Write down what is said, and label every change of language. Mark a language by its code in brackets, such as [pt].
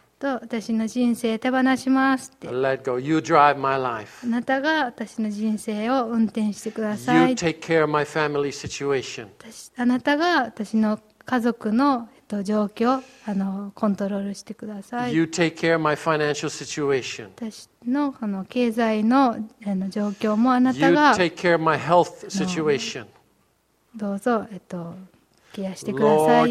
[ja] と私の人生手放しますって。 [en] Let go. You drive my life. [ja] あなたが私の人生を運転してください。 [en] You take care of my family situation. [ja] あなたが私の家族の状況コントロールしてください。 [en] You take care of my financial situation. [ja] 私の経済の状況もあなたが。 [en] You take care of my health situation. [ja] どうぞ、ケアしてください。